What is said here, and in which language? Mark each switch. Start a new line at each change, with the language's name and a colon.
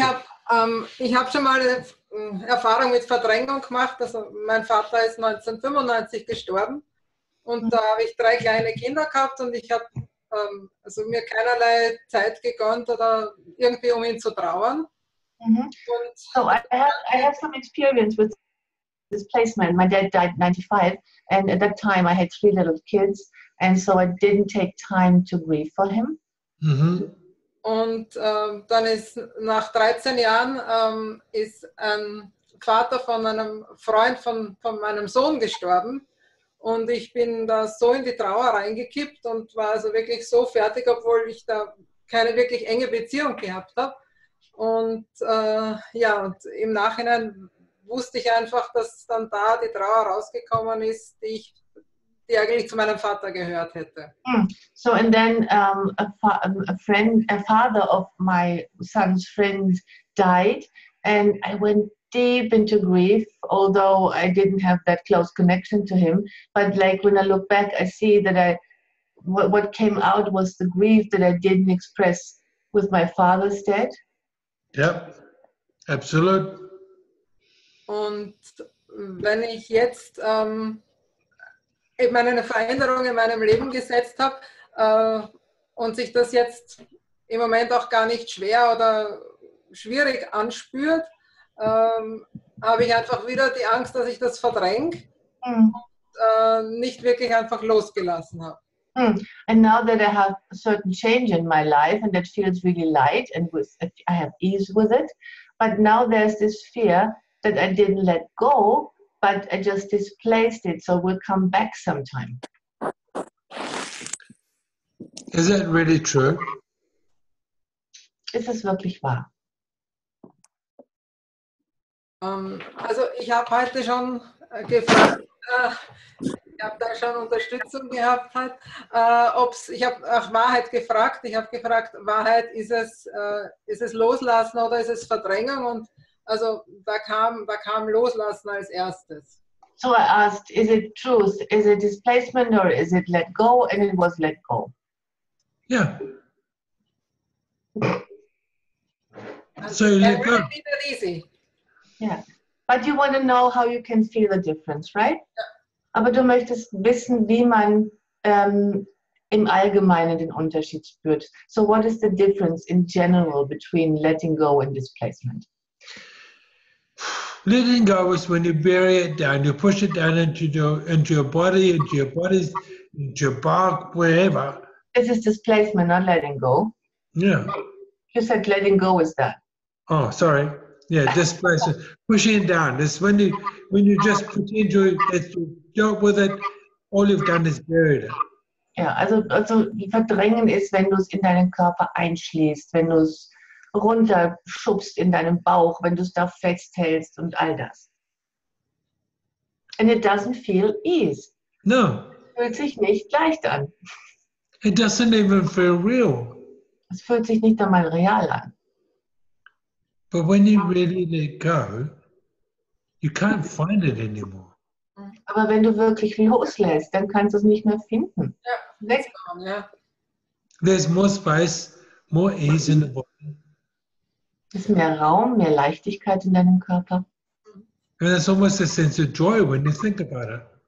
German: Also, ich hab schon mal Erfahrung mit Verdrängung gemacht. Also, mein Vater ist 1995 gestorben. Und da habe ich drei kleine Kinder gehabt und ich habe mir keinerlei Zeit gegönnt oder irgendwie um ihn zu trauern.
English: Mm-hmm. So I have some experience with displacement. My dad died 95 and at that time I had three little kids and so I didn't take time to grieve for him. Mm-hmm.
German: Und dann ist nach 13 Jahren ist ein Vater von einem Freund von meinem Sohn gestorben. Und ich bin da so in die Trauer reingekippt und war also wirklich so fertig, obwohl ich da keine wirklich enge Beziehung gehabt habe. Und und im Nachhinein wusste ich einfach, dass dann da die Trauer rausgekommen ist, die eigentlich zu meinem Vater gehört hätte.
English: So, and then a father of my son's friend died and I went deep into grief, although I didn't have that close connection to him. But like when I look back, I see that what came out was the grief that I didn't express with my father's death.
German: Ja, absolut. Und wenn ich jetzt eben eine Veränderung in meinem Leben gesetzt habe und sich das jetzt im Moment auch gar nicht schwer oder schwierig anspürt, habe ich einfach wieder die Angst, dass ich das verdränge und nicht wirklich einfach losgelassen habe.
English: And now that I have a certain change in my life and that feels really light and I have ease with it, but now there's this fear that I didn't let go, but I just displaced it, so we'll come back sometime. Is that really true?
German: Ist es wirklich wahr? Also ich habe heute schon gefragt, ich habe da schon Unterstützung gehabt, ich habe nach Wahrheit gefragt. Ich habe gefragt, Wahrheit, ist es Loslassen oder ist es Verdrängung? Und also da kam Loslassen als erstes.
English: So I asked, is it truth, is it displacement or is it let go? And it was let go. Ja. Yeah. So you let go. It wasn't easy. Yeah. But you want to know how you can feel the difference, right? Yeah.
German: Aber du möchtest wissen, wie man im Allgemeinen den Unterschied spürt.
English: So what is the difference in general between letting go and displacement? Letting go is when you bury it down, you push it down into your body, into your bark, wherever. This is displacement, not letting go. Yeah. You said letting go is that. Oh, sorry. Yeah, displacement. Pushing it down. It's when you just pretend you dealt with it, all you've done is buried it.
German: Ja, also Verdrängen ist, wenn du es in deinen Körper einschließt, wenn du es runterschubst in deinem Bauch, wenn du es da festhältst und all das.
English: And it doesn't feel easy. No.
German: Es fühlt sich nicht leicht an.
English: It doesn't even feel real.
German: Es fühlt sich nicht einmal real an.
English: But when you really let go, you can't find it anymore.
German: Aber wenn du wirklich loslässt, dann kannst du es nicht mehr finden. Ja.
English: There's more space, more ease in the body.
German: Ist mehr Raum, mehr Leichtigkeit in deinem Körper.
English: And it's almost a sense of joy when you think about it.